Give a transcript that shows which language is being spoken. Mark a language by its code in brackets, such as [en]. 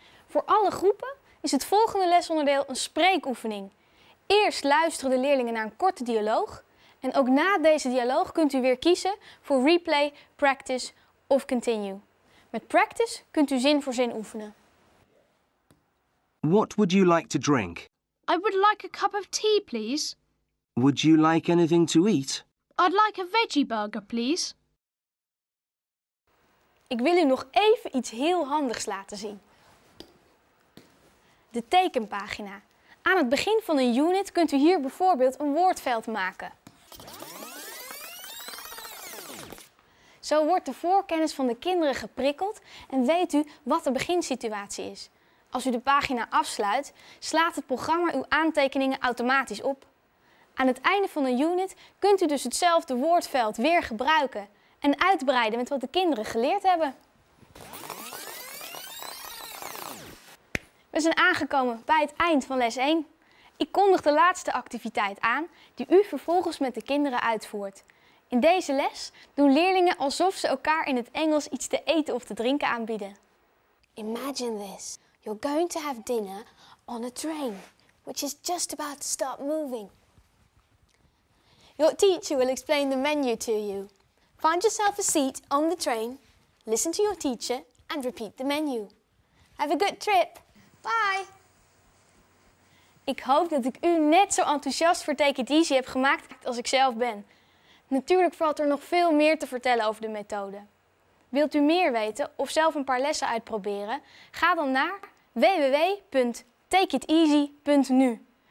[nl] Voor alle groepen is het volgende lesonderdeel een spreekoefening. Eerst luisteren de leerlingen naar een korte dialoog. En ook na deze dialoog kunt u weer kiezen voor replay, practice of continue. Met practice kunt u zin voor zin oefenen. [en] What would you like to drink? I would like a cup of tea, please. Would you like anything to eat? I'd like a veggie burger, please. [nl] Ik wil u nog even iets heel handigs laten zien. De tekenpagina. Aan het begin van een unit kunt u hier bijvoorbeeld een woordveld maken. Zo wordt de voorkennis van de kinderen geprikkeld en weet u wat de beginsituatie is. Als u de pagina afsluit, slaat het programma uw aantekeningen automatisch op. Aan het einde van een unit kunt u dus hetzelfde woordveld weer gebruiken en uitbreiden met wat de kinderen geleerd hebben. We zijn aangekomen bij het eind van les 1. Ik kondig de laatste activiteit aan die u vervolgens met de kinderen uitvoert. In deze les doen leerlingen alsof ze elkaar in het Engels iets te eten of te drinken aanbieden. [en] Imagine this. You're going to have dinner on a train, which is just about to start moving. Your teacher will explain the menu to you. Find yourself a seat on the train, listen to your teacher and repeat the menu. Have a good trip. Bye. [nl] Ik hoop dat ik u net zo enthousiast voor Take It Easy heb gemaakt als ik zelf ben. Natuurlijk valt er nog veel meer te vertellen over de methode. Wilt u meer weten of zelf een paar lessen uitproberen? Ga dan naar www.takeiteasy.nu.